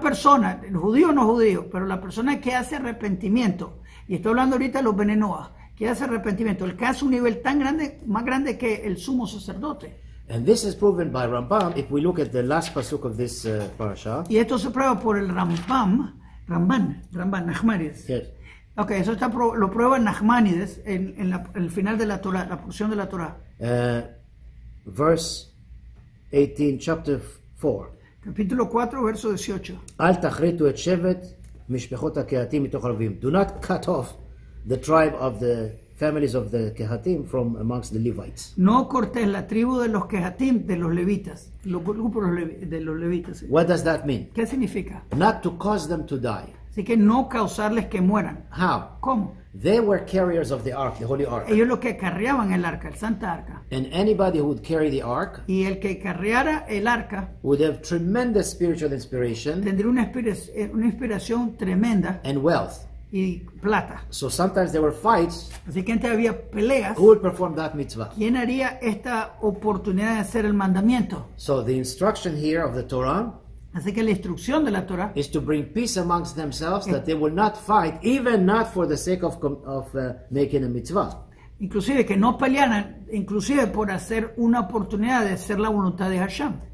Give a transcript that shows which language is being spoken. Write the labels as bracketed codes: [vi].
[es] persona, el judío no judío, pero la persona que hace arrepentimiento, y estoy hablando ahorita de los Bene Noah, que hace arrepentimiento, el caso un nivel tan grande, más grande que el sumo sacerdote. [en] And this is proven by Rambam if we look at the last pasuk of this parasha. [es] Y esto se prueba por el Rambam Nachmanides. [en] Yes. [es] Okay, eso está lo prueba Nachmanides en el final de la Torah, la porción de la Torah. [en] Verse 18, chapter 4. [es] Capítulo 4, verso 18. [he] Al tachritu et shevet mishpechot hakehatim mitoch alvim. [en] Do not cut off the tribe of the families of the Kehatim from amongst the Levites. [es] No cortes la tribu de los Kehatim, de los Levitas. Los grupos de los Levitas. [en] What does that mean? [es] ¿Qué significa? [en] Not to cause them to die. [es] Así que no causarles que mueran. [en] How? [es] ¿Cómo? [en] They were carriers of the ark, the holy ark. [es] Ellos los que carriaban el arca, el santa arca. [en] And anybody who would carry the ark, [es] y el que carriara el arca, [en] would have tremendous spiritual inspiration, [es] tendría una inspiración tremenda, [en] and wealth. [es] Y plata. [en] So sometimes there were fights. [es] Así que antes había peleas. [en] Who would perform that mitzvah? [es] ¿Quién haría esta oportunidad de hacer el mandamiento? [en] So the instruction here of the Torah. [es] Así que la instrucción de la Torah [en] is to bring peace amongst themselves, that they will not fight, even not for the sake of making a mitzvah. [es] Inclusive que no pelearan, inclusive por hacer una oportunidad de hacer la voluntad de Hashem.